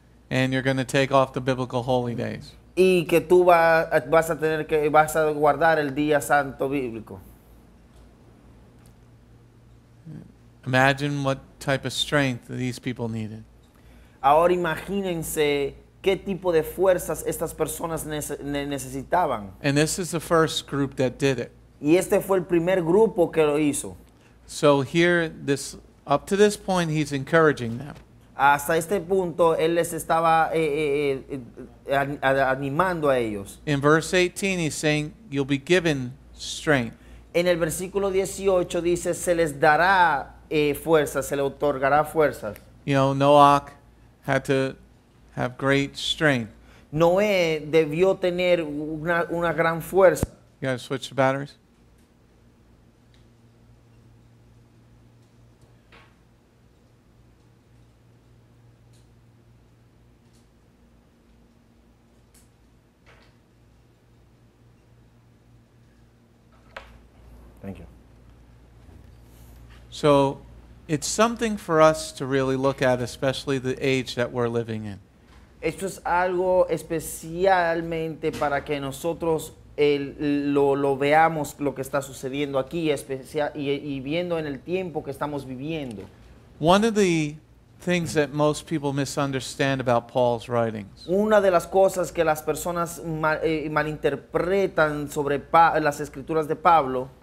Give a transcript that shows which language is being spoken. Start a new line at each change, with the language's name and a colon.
English: And you're going to take off the biblical holy days.
Spanish: Y que tú vas a tener que vas a guardar el día santo bíblico.
English: Imagine what type of strength these people needed.
Spanish: Ahora imagínense qué tipo de fuerzas estas personas necesitaban.
English: And this is the first group that did it.
Spanish: Y este fue el primer grupo que lo hizo.
English: So here this up to this point he's encouraging them.
Spanish: Hasta este punto él les estaba animando a ellos.
English: In verse 18 he's saying you'll be given strength.
Spanish: En el versículo 18 dice se les dará fuerzas, se les otorgará fuerzas.
English: You know, Noach had to have great strength.
Spanish: Noé debió tener una gran fuerza.
English: You gotta switch the batteries. Thank you. So it's something for us to really look at, especially the age that we're living in.
Spanish: Esto es algo especialmente para que nosotros lo veamos lo que está sucediendo aquí y viendo en el tiempo que estamos viviendo.
English: One of the things that most people misunderstand about Paul's writings.
Spanish: Una de las cosas que las personas malinterpretan sobre las escrituras de Pablo.